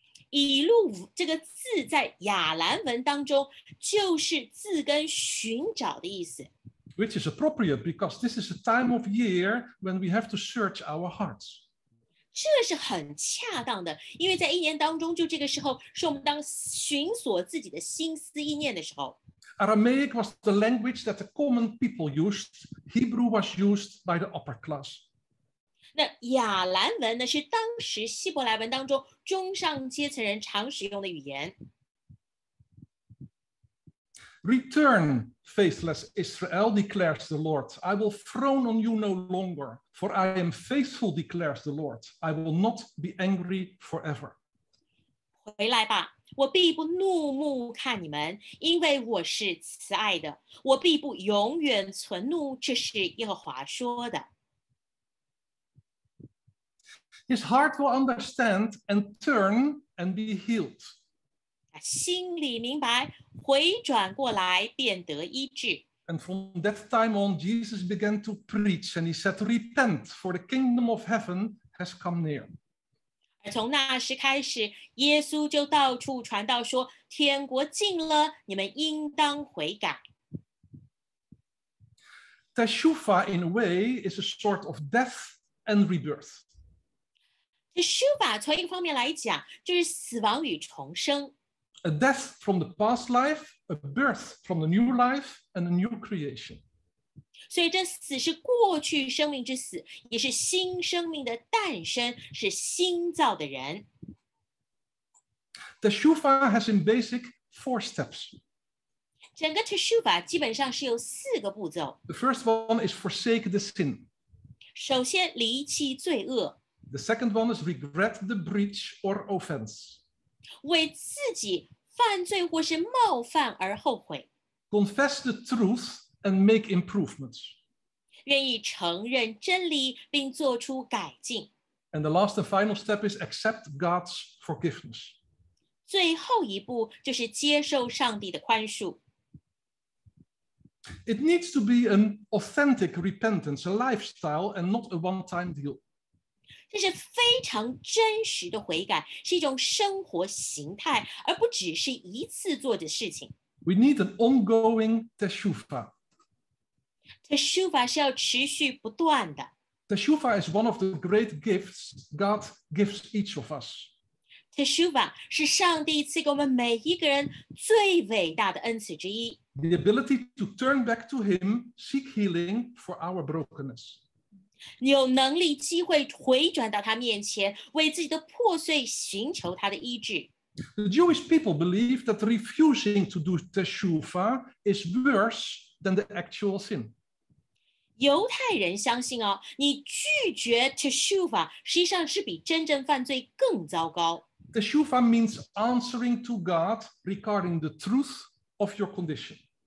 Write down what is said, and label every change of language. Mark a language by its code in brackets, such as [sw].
[zh] 以路这个字在亚兰文当中就是字根寻找的意思。 [en] Which is appropriate because this is a time of year when we have to search our hearts. [zh] 这是很恰当的，因为在一年当中，就这个时候是我们当寻索自己的心思意念的时候。 [en] Aramaic was the language that the common people used. Hebrew was used by the upper class. [zh] 那亚兰文呢，是当时希伯来文当中中上阶层人常使用的语言。 [en] Return, faithless Israel, declares the Lord. I will frown on you no longer, for I am faithful, declares the Lord. I will not be angry forever. [zh] 回来吧，我必不怒目看你们，因为我是慈爱的，我必不永远存怒，这是耶和华说的。 [en] His heart will understand and turn and be healed. [zh] 心里明白，回转过来便得医治。 [en] And from that time on, Jesus began to preach, and he said, "Repent, for the kingdom of heaven has come near." [zh] 而从那时开始，耶稣就到处传道说，天国近了，你们应当悔改。 [en] Teshuva, in a way, is a sort of death and rebirth. [zh] Teshuva, 从一个方面来讲，就是死亡与重生。 [en] A death from the past life, a birth from the new life, and a new creation. [zh] 所以这死是过去生命之死，也是新生命的诞生，是新造的人。 [en] Teshuva has in basic four steps. [zh] 整个 Teshuva 基本上是有四个步骤。 [en] The first one is forsake the sin. [zh] 首先离弃罪恶。 [en] The second one is regret the breach or offense. [zh] 为自己犯罪或是冒犯而后悔。 [en] Confess the truth and make improvements. [zh] 愿意承认真理并做出改进。 [en] And the last and final step is accept God's forgiveness. [zh] 最后一步就是接受上帝的宽恕。 [en] It needs to be an authentic repentance, a lifestyle, and not a one-time deal. [zh] 这是非常真实的悔改，是一种生活形态，而不只是一次做的事情。 [en] We need an ongoing teshuva. [zh] Teshuva 是要持续不断的。 [en] Teshuva is one of the great gifts God gives each of us. [zh] Teshuva 是上帝赐给我们每一个人最伟大的恩赐之一。 [en] The ability to turn back to Him, seek healing for our brokenness. [zh] 你有能力机会回转到他面前，为自己的破碎寻求他的医治。 [en] The Jewish people believe that refusing to do teshuva is worse than the actual sin. [zh] 犹太人相信哦，你拒绝 teshuva 实际上是比真正犯罪更糟糕。 [en] Teshuva means answering to God regarding the truth of your condition.